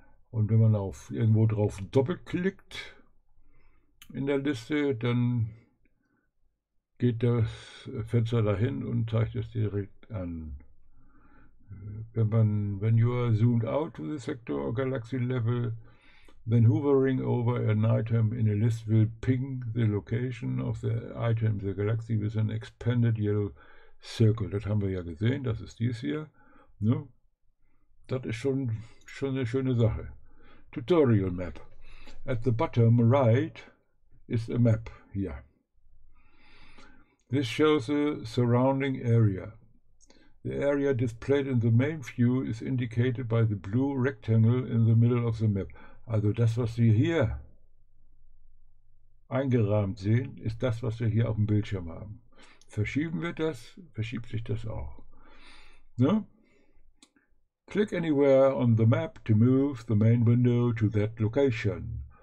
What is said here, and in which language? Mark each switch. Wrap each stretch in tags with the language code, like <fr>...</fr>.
<de>Und wenn man auf irgendwo drauf doppelklickt in der Liste, dann geht das Fenster dahin und zeigt es direkt an.</de> <en>When you are zoomed out to the sector or galaxy level, then hovering over an item in a list will ping the location of the item, the galaxy, with an expanded yellow circle.</en> <de>Das haben wir ja gesehen, das ist dies hier. Ne? Das ist schon eine schöne Sache. Tutorial Map.</de> <en>At the bottom right is a map hier. This shows the surrounding area. The area displayed in the main view is indicated by the blue rectangle in the middle of the map.</en> <de>Also das, was Sie hier eingerahmt sehen, ist das, was wir hier auf dem Bildschirm haben. Verschieben wir das, verschiebt sich das auch. Ne?</de> <en>Click anywhere on the map to move the main window to that location.</en>